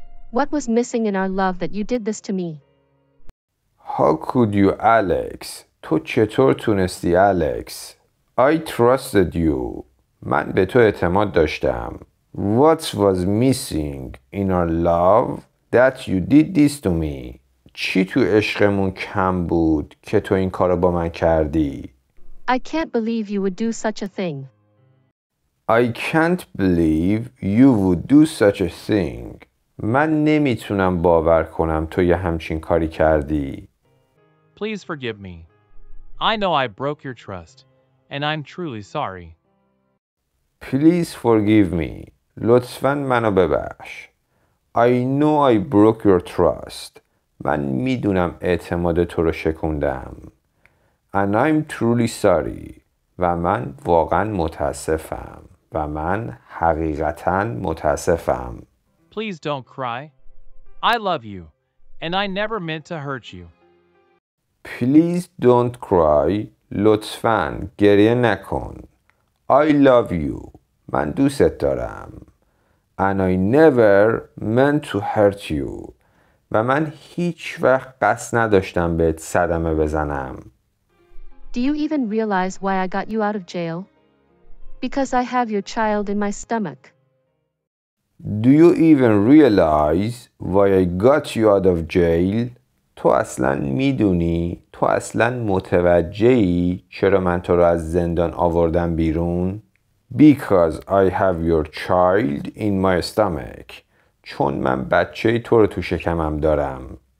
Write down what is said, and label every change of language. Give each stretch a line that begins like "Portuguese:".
English: What was missing in our love that you did this to me? How could you, Alex?
Persian: تو چطور تونستی,
English: Alex?
Persian: I trusted you. من به تو اعتماد داشتم.
English: What was missing in our love that you did this to me?
Persian: چی تو عشقمون کم بود که تو این کارو با من کردی؟
English: I can't believe you would do such a thing. I can't believe you would do such a thing.
Persian: من نمیتونم باور کنم تو یه همچین کاری کردی.
English: Please forgive me. I know I broke your trust, and I'm truly sorry. Please forgive me.
Persian: لطفاً منو ببخش.
English: I know I broke your trust.
Persian: من میدونم اعتماد تو رو شکوندم.
English: And I'm truly sorry.
Persian: و من واقعاً متاسفم. و من حقیقتاً متاسفم.
English: Please don't cry. I love you, and I never meant to hurt you. Please don't cry.
Persian: لطفاً گریه نکن.
English: I love you.
Persian: من دوستت دارم.
English: And I never meant to hurt you.
Persian: و من هیچ وقت قصد نداشتم بهت صدمه بزنم.
English: Do you even realize why I got you out of jail? Because I have your child in my stomach. Do you even realize why I got you out of jail?
Persian: تو اصلاً میدونی؟ تو اصلاً متوجهی چرا من تو رو از زندان آوردم بیرون؟
English: Because I have your child in my stomach.
Persian: چون من بچه تو رو تو شکمم دارم.